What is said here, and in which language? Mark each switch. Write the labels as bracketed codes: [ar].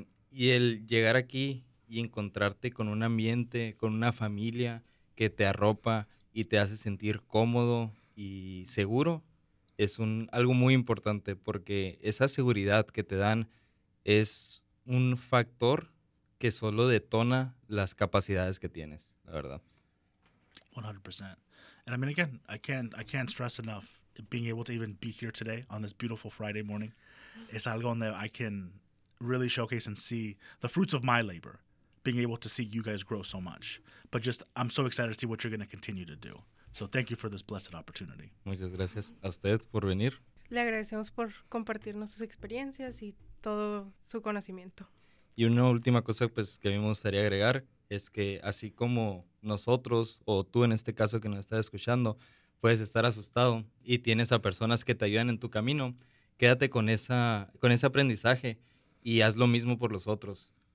[es] y el llegar aquí y encontrarte con un ambiente, con una familia que te arropa y te hace sentir cómodo y seguro, es algo muy importante porque esa seguridad que te dan es un factor que solo detona las capacidades que tienes, la verdad. 100%. [en] And I mean, again, I can't stress enough being able to even be here today on this beautiful Friday morning. [es] Es algo donde [en] I can really showcase and see the fruits of my labor, being able to see you guys grow so much. But just, I'm so excited to see what you're going to continue to do. So thank you for this blessed opportunity. [es] Muchas gracias a usted por venir. Le agradecemos por compartirnos sus experiencias y todo su conocimiento. Y una última cosa pues, que a mí me gustaría agregar es que así como nosotros, o tú en este caso que nos estás escuchando, puedes estar asustado y tienes a personas que te ayudan en tu camino, quédate con ese aprendizaje y haz lo mismo por los otros.